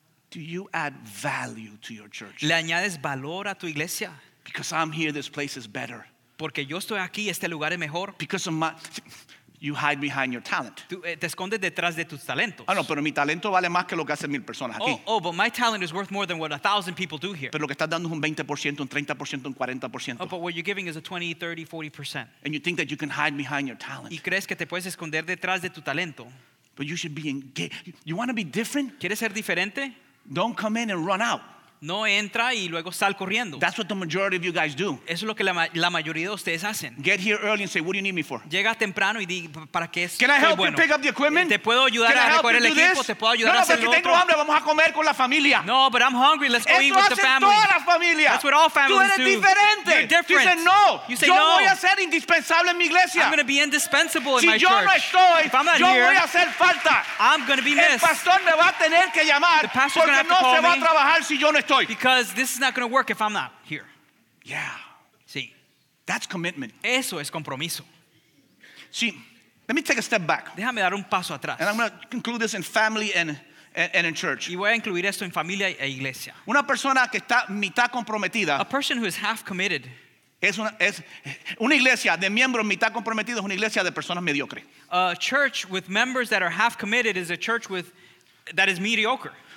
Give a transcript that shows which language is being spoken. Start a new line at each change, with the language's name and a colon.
English: Do you add value to your church?
Spanish: ¿Le añades valor a tu iglesia?
English: Because I'm here, this place is better.
Spanish: Porque yo estoy aquí, este lugar es mejor.
English: Because of my You hide behind your talent.
Spanish: Te escondes detrás de tus talentos. Ah, no, pero mi talento vale más que lo que hacen mil personas aquí.
English: Oh, but my talent is worth more than what 1,000 people do here.
Spanish: Pero lo que estás dando es un 20%, un 30%, un 40%.
English: Oh, but what you're giving is a 20, 30, 40%. And you think that you can hide behind your talent.
Spanish: Y crees que te puedes esconder detrás de tu talento.
English: But you should be engaged. You want to be different?
Spanish: ¿Quieres ser diferente?
English: Don't come in and run out.
Spanish: No entra y luego sal corriendo.
English: That's what the majority of you guys do.
Spanish: Eso es lo que la mayoría de ustedes hacen.
English: Get here early and say, what do you need me for?
Spanish: Llega temprano y diga, ¿para qué es?
English: Can I help you pick up the equipment?
Spanish: ¿Te puedo ayudar a recoger el equipo? ¿Te puedo ayudar a hacer lo otro? No, porque tengo hambre, vamos a comer con la familia.
English: No, but I'm hungry, let's go eat with the family.
Spanish: Eso hace toda la familia.
English: That's what all families do.
Spanish: Tú eres diferente.
English: You're different. You say no. You say no.
Spanish: Yo voy a ser indispensable en mi iglesia.
English: I'm going to be indispensable in my church.
Spanish: Si yo no estoy,
English: if I'm not here,
Spanish: yo voy a hacer falta.
English: I'm going to be missed.
Spanish: El pastor me va a tener que llamar porque no se va a trabajar si yo no estoy.
English: Because this is not going to work if I'm not here. Yeah.
Spanish: Sí.
English: That's commitment.
Spanish: Eso es compromiso.
English: Sí. Let me take a step back.
Spanish: Déjame dar un paso atrás.
English: And I'm going to conclude this in family and in church.
Spanish: Y voy a incluir esto en familia e iglesia. Una persona que está mitad comprometida.
English: A person who is half committed.
Spanish: Es una iglesia de miembros mitad comprometidos es una iglesia de personas mediocre.
English: A church with members that are half committed is a church that is mediocre.